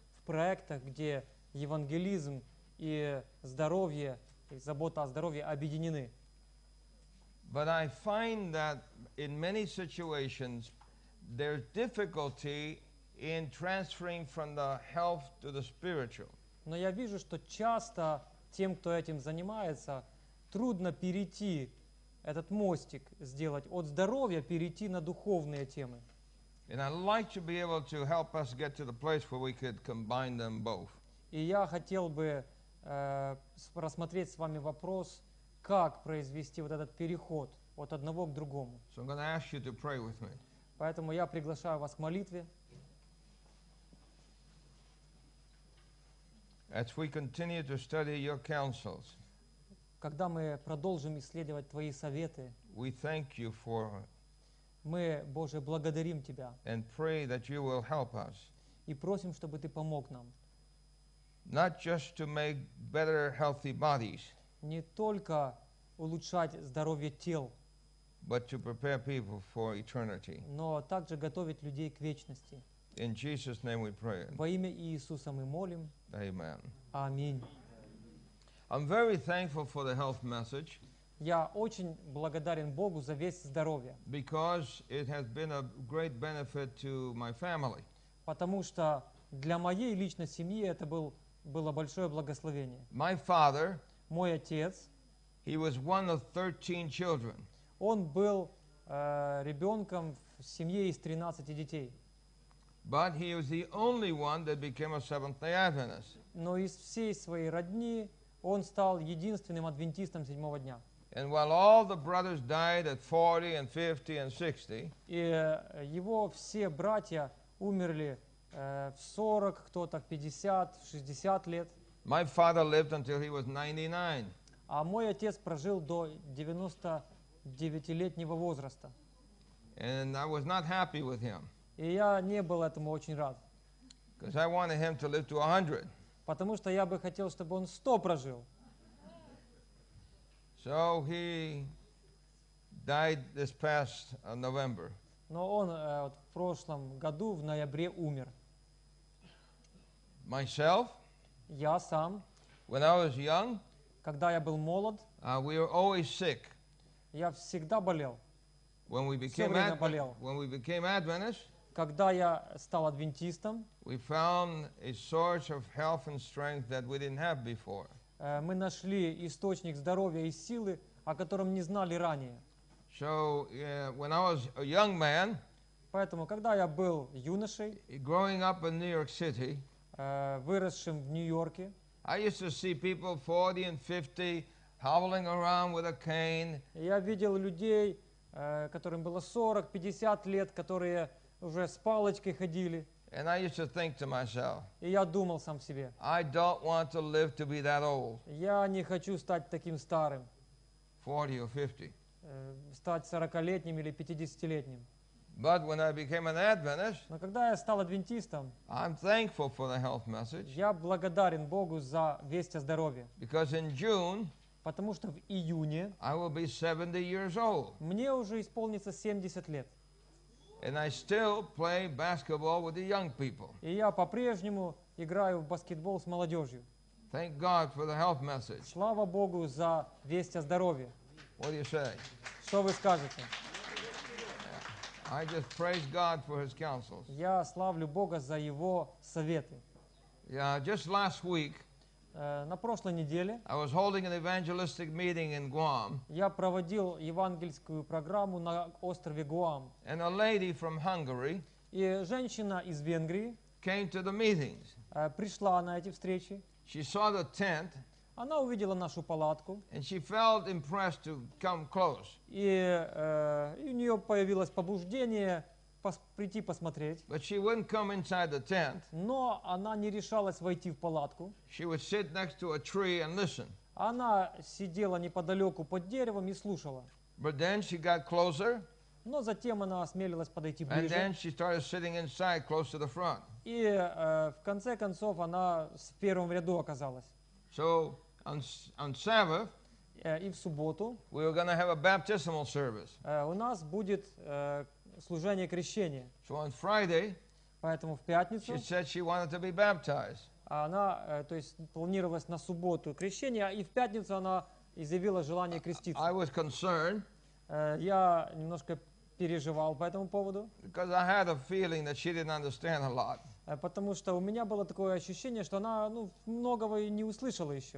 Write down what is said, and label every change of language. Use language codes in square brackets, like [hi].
[ru] проектах, где евангелизм и здоровье, и забота о здоровье объединены. [en] But I find that in many situations there's difficulty in transferring from the health to the spiritual. [ru] Но я вижу, что часто тем, кто этим занимается, трудно перейти этот мостик сделать от здоровья перейти на духовные темы. [en] And I'd like to be able to help us get to the place where we could combine them both. [ru] И я хотел бы рассмотреть с вами вопрос, как произвести вот этот переход от одного к другому. [en] So I'm going to ask you to pray with me. [ru] Поэтому я приглашаю вас к молитве. [en] As we continue to study your counsels, [ru] когда мы продолжим исследовать твои советы, [en] we thank you for, [ru] мы, Боже, благодарим тебя, [en] and pray that you will help us, [ru] и просим, чтобы ты помог нам, [en] not just to make better healthy bodies, [ru] не только улучшать здоровье тел, [en] but to prepare people for eternity, [ru] но также готовить людей к вечности. [en] In Jesus' name we pray. [ru] Во имя Иисуса мы молим. [en] Amen. [ru] Аминь. [en] I'm very thankful for the health message. [ru] Я очень благодарен Богу за весь здоровье. [en] Because it has been a great benefit to my family. [ru] Потому что для моей личной семьи это было большое благословение. [en] My father, [ru] мой отец, [en] he was one of 13 children. [ru] Он был ребенком в семье из 13 детей. [en] But he was the only one that became a Seventh-day Adventist. [ru] Но из всей своей родни он стал единственным адвентистом седьмого дня. [en] And while all the brothers died at 40 and 50 and 60, [ru] и его все братья умерли в 40, кто-то в 50, 60 лет. [en] My father lived until he was 99. [ru] А мой отец прожил до 99-летнего возраста. [en] And I was not happy with him. [ru] И я не был этому очень рад. [en] I wanted him to live to 100. [ru] Потому что я бы хотел, чтобы он 100 прожил. [en] So he died this past November. [ru] Но он вот в прошлом году, в ноябре, умер. [en] Myself, [ru] я сам. [en] When I was young, [ru] когда я был молод, [en] we were always sick. [ru] Я всегда болел. [en] When we became [ru] все время болел. [en] When we became Adventist, [ru] когда я стал адвентистом, [en] we found a source of health and strength that we didn't have before. [ru] Мы нашли источник здоровья и силы, о котором не знали ранее. [en] So, when I was a young man, [ru] поэтому, когда я был юношей, [en] growing up in New York City, [ru] выросшим в Нью-Йорке, [en] I used to see people 40 and 50 hobbling around with a cane. [ru] Я видел людей, которым было 40-50 лет, которые уже с палочкой ходили. [en] And I used to think to myself, [ru] и я думал сам себе, [en] I don't want to live to be that old. [ru] Я не хочу стать таким старым. [en] 40 or 50. [ru] Стать 40-летним или 50-летним. [en] But when I became an Adventist, [ru] но когда я стал адвентистом, [en] I'm thankful for the health message. [ru] Я благодарен Богу за весть о здоровье. [en] Because in June, [ru] потому что в июне, [en] I will be 70 years old. [ru] Мне уже исполнится 70 лет. [en] And I still play basketball with the young people. [ru] И я по-прежнему играю в баскетбол с молодежью. [en] Thank God for the health message. [ru] Слава Богу за весть о здоровье. [en] What do you say? [ru] Что вы скажете? [en] I just praise God for His counsels. [ru] Я славлю Бога за Его советы. [en] Yeah, just last week, [ru] на прошлой неделе, [en] I was holding an evangelistic meeting in Guam. [ru] Я проводил евангельскую программу на острове Гуам. [en] And a lady from Hungary, [ru] и женщина из Венгрии, [en] came to the meetings. [ru] Пришла на эти встречи. [en] She saw the tent. [ru] Она увидела нашу палатку. [en] And she felt impressed to come close. [ru] И у нее появилось побуждение прийти посмотреть. [en] But she wouldn't come inside the tent. [ru] Но она не решалась войти в палатку. [en] She would sit next to a tree and listen. [ru] Она сидела неподалеку под деревом и слушала. [en] But then she got closer. [ru] Но затем она осмелилась подойти ближе. [en] And then she started sitting inside, close to the front. [ru] И в конце концов она в первом ряду оказалась. [en] So on Sabbath, [ru] и в субботу, [en] we were going to have a baptismal service. [ru] У нас будет служение крещения. [en] So on Friday, [ru] поэтому в пятницу, [en] she said she wanted to be baptized. [ru] она, то есть, планировалась на субботу крещение, и в пятницу она изъявила желание креститься. [en] I was concerned. [ru] Я немножко переживал по этому поводу. [en] Because I had a feeling that she didn't understand a lot. [ru] Потому что у меня было такое ощущение, что она, ну, многого и не услышала еще.